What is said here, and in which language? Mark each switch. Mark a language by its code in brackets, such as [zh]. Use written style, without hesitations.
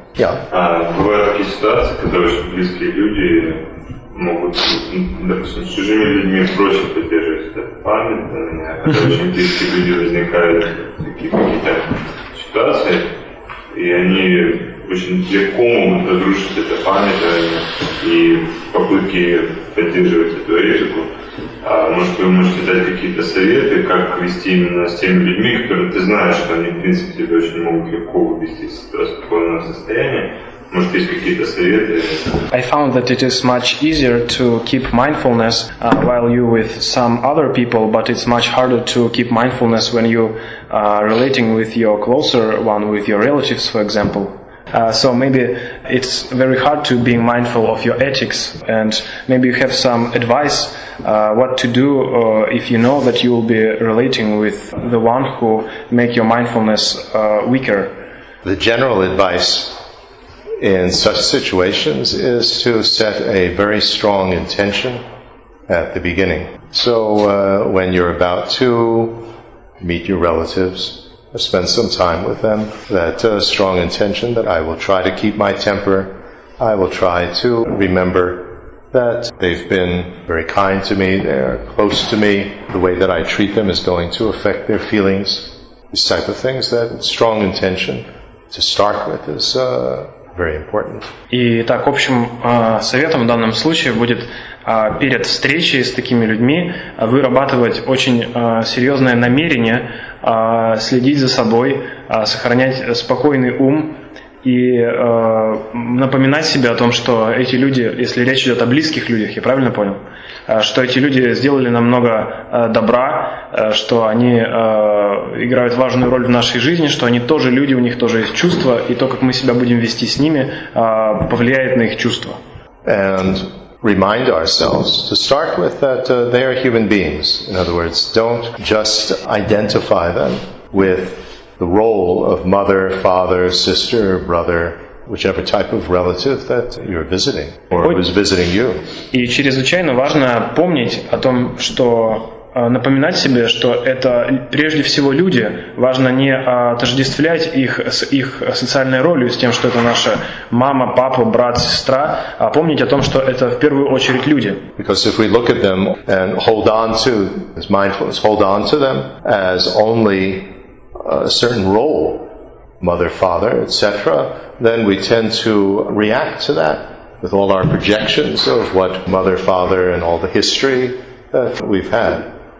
[ru] Бывают такие ситуации, когда очень близкие люди могут, допустим, с чужими людьми проще поддерживать эту память, да, когда очень близкие люди возникают в каких-то ситуациях, и они очень легко могут разрушить эту память, да, и в попытке поддерживать эту ризику. Может, вы можете дать какие-то советы, как вести именно с теми людьми, которые ты знаешь, что они, в принципе, тебя очень могут легко вывести из этого спокойного состояния. Может, есть какие-то советы? [en] I found that it is much easier to keep mindfulness while you with some other people, but it's much harder to keep mindfulness when you are relating with your closer one, with your relatives, for example. So maybe it's very hard to be mindful of your ethics, and maybe you have some advice what to do if you know that you will be relating with the one who make your mindfulness weaker. The general advice in such situations is to set a very strong intention at the beginning. So when you're about to meet your relatives, spend some time with them, that strong intention that I will try to keep my temper, I will try to remember that they've been very kind to me, they're close to me, the way that I treat them is going to affect their feelings, these type of things, that strong intention to start with is very important. [ru] И так, общим советом в данном случае будет перед встречей с такими людьми вырабатывать очень серьезное намерение следить за собой, сохранять спокойный ум и напоминать себе о том, что эти люди, если речь идет о близких людях, я правильно понял, что эти люди сделали нам много добра, что они играют важную роль в нашей жизни, что они тоже люди, у них тоже есть чувства, и то, как мы себя будем вести с ними, повлияет на их чувства. [en] And remind ourselves to start with that they are human beings. In other words, don't just identify them with the role of mother, father, sister, brother, whichever type of relative that you're visiting or who's visiting you. [ru] И чрезвычайно важно помнить о том, что напоминать себе, что это прежде всего люди. Важно не отождествлять их с их социальной ролью, с тем, что это наша мама, папа, брат, сестра, а помнить о том, что это в первую очередь люди. [en] Because if we look at them and hold on to as mindfulness, hold on to them as only a certain role, mother, father, etc., then we tend to react to that with all our projections of what mother, father, and all the history that we've had.